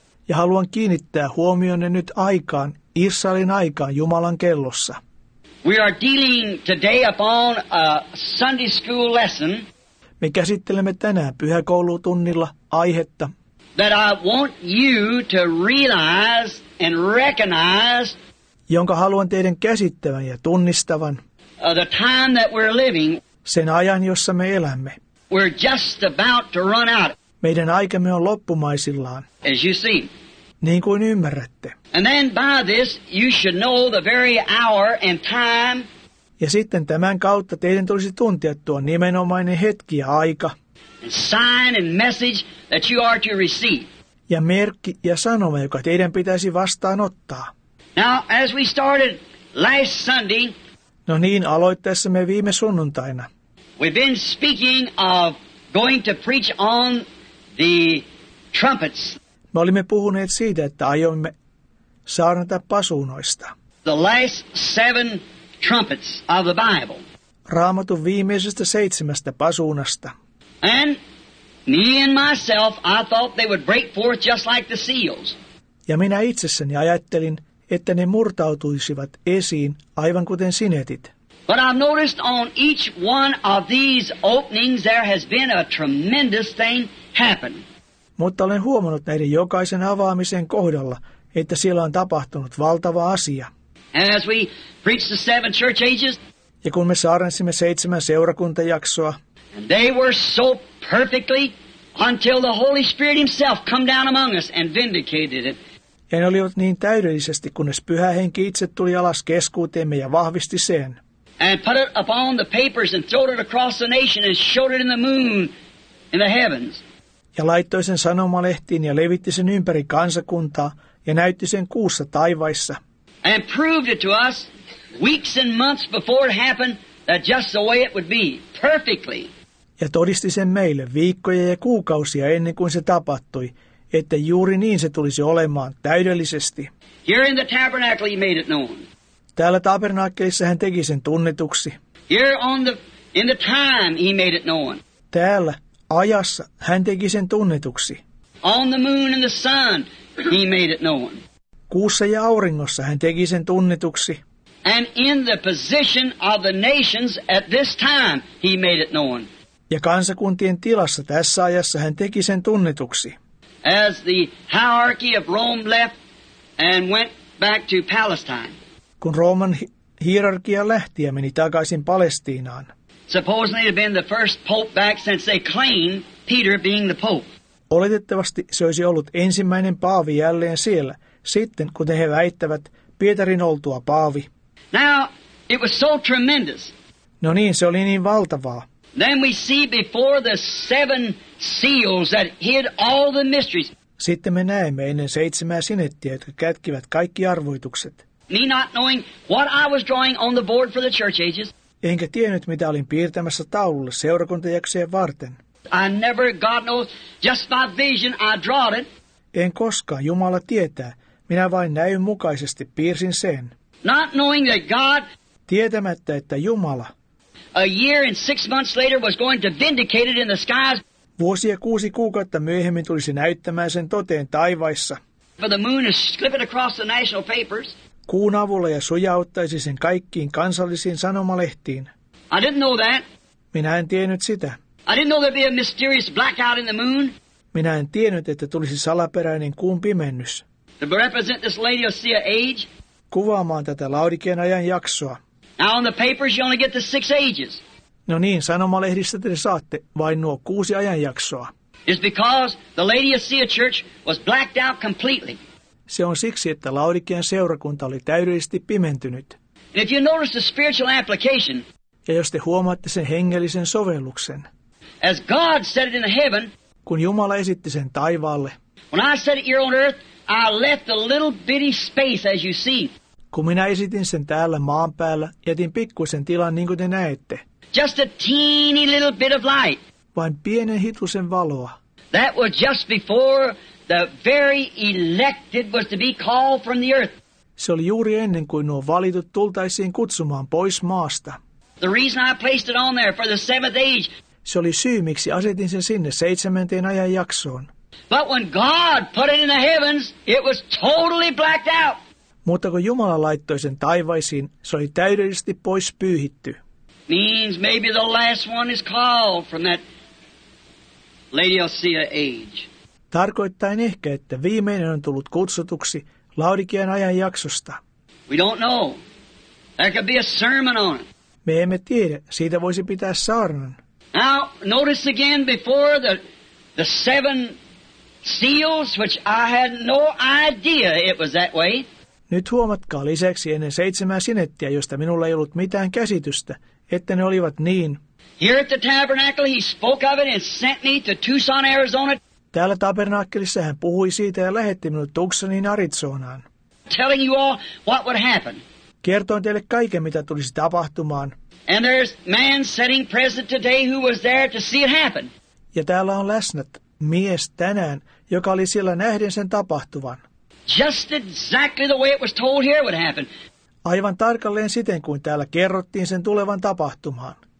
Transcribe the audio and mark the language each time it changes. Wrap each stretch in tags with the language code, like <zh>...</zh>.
<fi>Ja haluan kiinnittää huomionne nyt aikaan, Israelin aikaan, Jumalan kellossa.</fi> <en>We are dealing today upon a Sunday school lesson.</en> <fi>Me käsittelemme tänään pyhäkoulutunnilla aihetta.</fi> <en>That I want you to realize and recognize.</en> <fi>Jonka haluan teidän käsittävän ja tunnistavan.</fi> <en>The time that we're living.</en> <fi>Sen ajan, jossa me elämme.</fi> <en>We're just about to run out.</en> <fi>Meidän aikamme on loppumaisillaan.</fi> <en>As you see.</en> <fi>Niin kuin ymmärrätte.</fi> <en>And then by this you should know the very hour and time.</en> <fi>Ja sitten tämän kautta teidän tulisi tuntea tuo nimenomainen hetki ja aika.</fi> <en>And sign and message that you are to receive.</en> <fi>Ja merkki ja sanoma, joka teidän pitäisi vastaanottaa.</fi> <en>Now as we started last Sunday.</en> <fi>No niin, aloittaessamme viime sunnuntaina.</fi> <en>We've been speaking of going to preach on the trumpets.</en> <fi>Me olimme puhuneet siitä, että aiomme saarnata pasuunoista.</fi> <en>The last seven trumpets of the Bible.</en> <fi>Raamatun viimeisestä seitsemästä pasuunasta.</fi> <en>And me and myself, I thought they would break forth just like the seals.</en> <fi>Ja minä itsessäni ajattelin, että ne murtautuisivat esiin aivan kuten sinetit.</fi> <en>But I've noticed on each one of these openings there has been a tremendous thing happen.</en> <fi>Mutta olen huomannut näiden jokaisen avaamisen kohdalla, että siellä on tapahtunut valtava asia.</fi> <en>As we preached the seven church ages,</en> <fi>ja kun me saarnasimme seitsemän seurakuntajaksoa,</fi> <en>they were so perfectly until the Holy Spirit himself come down among us and vindicated it.</en> <fi>Ja ne olivat niin täydellisesti, kunnes Pyhä Henki itse tuli alas keskuuteemme ja vahvisti sen.</fi> <en>and put it upon the papers and throwed it across the nation and showed it in the moon in the heavens.</en> <fi>Ja laittoi sen sanomalehtiin ja levitti sen ympäri kansakuntaa ja näytti sen kuussa taivaissa.</fi> <en>And proved it to us weeks and months before it happened that just the way it would be, perfectly.</en> <fi>Ja todisti sen meille viikkoja ja kuukausia ennen kuin se tapahtui, että juuri niin se tulisi olemaan täydellisesti.</fi> <en>Here in the tabernacle he made it known.</en> <fi>Täällä tabernaakkelissa hän teki sen tunnetuksi.</fi> <en>Here on the, in the time he made it known.</en> <fi>Täällä ajassa hän teki sen tunnetuksi.</fi> <en>On the moon and the sun he made it known.</en> <fi>Kuussa ja auringossa hän teki sen tunnetuksi.</fi> <en>And in the position of the nations at this time he made it known.</en> <fi>Ja kansakuntien tilassa tässä ajassa hän teki sen tunnetuksi.</fi> <en>As the hierarchy of Rome left and went back to Palestine.</en> <fi>Kun Rooman hierarkia lähti ja meni takaisin Palestiinaan.</fi> <en>Supposedly it had been the first pope back since they claimed Peter being the pope.</en> <fi>Oletettavasti se olisi ollut ensimmäinen paavi jälleen siellä, sitten kun he väittävät Pietarin oltua paavi.</fi> <en>Now it was so tremendous.</en> <fi>No niin, se oli niin valtavaa.</fi> <en>Then we see before the seven seals that hid all the mysteries.</en> <fi>Sitten me näemme ennen seitsemää sinettiä, jotka kätkivät kaikki arvoitukset.</fi> <en>Me not knowing what I was drawing on the board for the church ages.</en> <fi>Enkä tiennyt, mitä olin piirtämässä taululle seurakuntajaksojen varten.</fi> <en>I never, God knows, just by vision I draw it.</en> <fi>En koskaan, Jumala tietää, minä vain näin mukaisesti piirsin sen.</fi> <en>Not knowing that God.</en> <fi>Tietämättä, että Jumala.</fi> <en>A year and 6 months later was going to vindicate it in the skies.</en> <fi>Vuosi ja kuusi kuukautta myöhemmin tulisi näyttämään sen toteen taivaissa.</fi> <en>For the moon is slipping across the national papers.</en> <fi>Kuun avulla ja sujauttaisi sen kaikkiin kansallisiin sanomalehtiin.</fi> <en>I didn't know that.</en> <fi>Minä en tiennyt sitä.</fi> <en>I didn't know there'd be a mysterious blackout in the moon.</en> <fi>Minä en tiennyt, että tulisi salaperäinen kuun pimennys.</fi> <en>To represent this Laodicea age.</en> <fi>Kuvaamaan tätä Laodikean ajan jaksoa.</fi> <en>Now on the papers you only get the six ages.</en> <fi>No niin, sanomalehdistä te saatte vain nuo kuusi ajanjaksoa.</fi> <en>It's because the Laodicea church was blacked out completely.</en> <fi>Se on siksi, että Laodikean seurakunta oli täydellisesti pimentynyt.</fi> <en>And if you notice the spiritual application.</en> <fi>Ja jos te huomaatte sen hengellisen sovelluksen.</fi> <en>As God said it in the heaven.</en> <fi>Kun Jumala esitti sen taivaalle.</fi> <en>When I said it here on earth, I left a little bitty space as you see.</en> <fi>Kun minä esitin sen täällä maan päällä, jätin pikkuisen tilan, niin kuin te näette.</fi> <en>Just a teeny little bit of light.</en> <fi>Vain pienen hitusen valoa.</fi> <en>That was just before the very elected was to be called from the earth.</en> <fi>Se oli juuri ennen kuin nuo valitut tultaisiin kutsumaan pois maasta.</fi> <en>The reason I placed it on there for the seventh age.</en> <fi>Se oli syy, miksi asetin sen sinne seitsemänteen ajan jaksoon.</fi> <en>But when God put it in the heavens, it was totally blacked out.</en> <fi>Mutta kun Jumala laittoi sen taivaisiin, se oli täydellisesti pois pyyhitty.</fi> <en>Means maybe the last one is called from that Laodicea age.</en> <fi>Tarkoittain ehkä, että viimeinen on tullut kutsutuksi Laodikean ajan jaksosta.</fi> <en>We don't know. There could be a sermon on it.</en> <fi>Me emme tiedä, siitä voisi pitää saarnan.</fi> <en>Now notice again before the seven seals, which I had no idea it was that way.</en> <fi>Nyt huomatkaa lisäksi ennen seitsemää sinettiä, josta minulla ei ollut mitään käsitystä, että ne olivat niin.</fi> <en>Here at the tabernacle he spoke of it and sent me to Tucson, Arizona.</en> <fi>Täällä tabernaakkelissa hän puhui siitä ja lähetti minut Tucsoniin, Arizonaan.</fi> <en>Telling you all what would happen.</en> <fi>Kertoin teille kaiken, mitä tulisi tapahtumaan.</fi> <en>And there's man sitting present today who was there to see it happen.</en> <fi>Ja täällä on läsnä mies tänään, joka oli siellä nähden sen tapahtuvan.</fi> <en>Just exactly the way it was told here would happen.</en> <fi>Aivan tarkalleen siten, kuin täällä kerrottiin sen tulevan tapahtumaan.</fi>